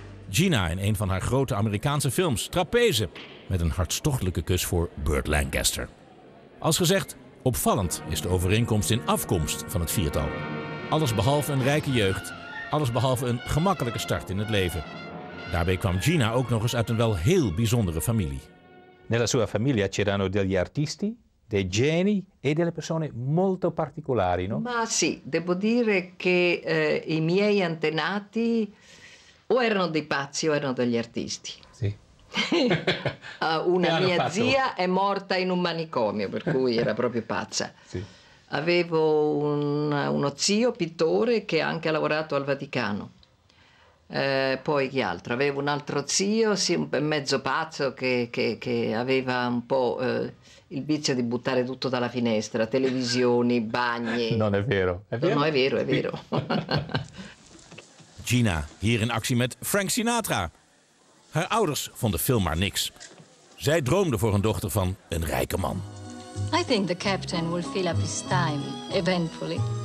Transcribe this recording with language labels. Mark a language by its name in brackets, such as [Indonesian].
[Dutch] Gina in een van haar grote Amerikaanse films, Trapeze. Met een hartstochtelijke kus voor Burt Lancaster. Als gezegd, opvallend is de overeenkomst in afkomst van het viertal. Alles behalve een rijke jeugd, alles behalve een gemakkelijke start in het leven. Daarbij kwam Gina ook nog eens uit een wel heel bijzondere familie. [Italian] Nella sua famiglia c'erano degli artisti, dei geni e delle persone molto particolari, no? Ma sì, devo dire che i miei antenati o erano dei pazzi o erano degli artisti. Una mia zia è morta in un manicomio, per cui era proprio pazza. Sì. Avevo uno zio pittore che anche ha lavorato al Vaticano. Poi chi altro? Avevo un altro zio, sì, mezzo pazzo, che aveva un po' il vizio di buttare tutto dalla finestra, televisioni, bagni. Non è vero. È vero? No, è vero, è vero. [Dutch] Gina, hier in actie met Frank Sinatra. Haar ouders vonden film maar niks. Zij droomde voor hun dochter van een rijke man. [English] I think the captain will fill up his time eventually.